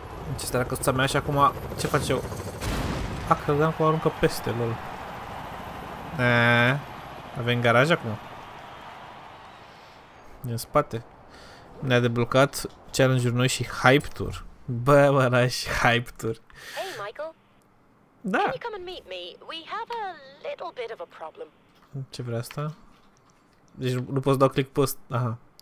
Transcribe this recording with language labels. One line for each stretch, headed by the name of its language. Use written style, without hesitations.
Romanian: Deci asta era căsuța mea și acum ce face eu? Ah, credeam că o aruncă peste, lol. Avem garaj acum. Din spate. Ne-a deblocat challenge-uri noi și hype tour. Bă, măraș, hype tour.
English: Hey, Michael.
Romanian: Da.
English: Can you come and meet me? We have a little bit of a problem.
Romanian: Ce vrea asta? Deci nu poți dau click pe ăsta. Aha.